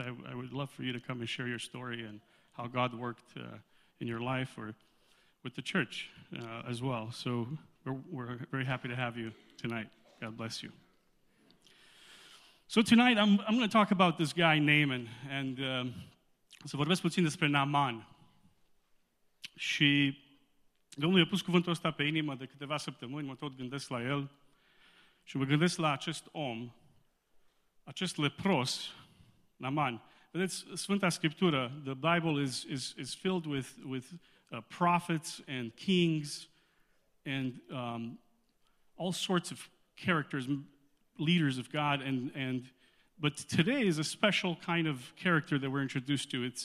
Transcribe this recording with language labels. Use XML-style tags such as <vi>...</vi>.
<en>I would love for you to come and share your story and how God worked in your life or with the church as well. So we're very happy to have you tonight. God bless you. So tonight I'm going to talk about this guy, Naaman.</en> <ro>And să vorbesc puțin despre Naaman. Și Domnul i-a pus cuvântul ăsta pe inimă de câteva săptămâni, mă tot gândesc la el și mă gândesc la acest om, acest lepros, Naaman. Vedeți, Sfânta Scriptură,</ro> <en>the Bible is filled with prophets and kings and all sorts of characters, leaders of God, but today is a special kind of character that we're introduced to.</en>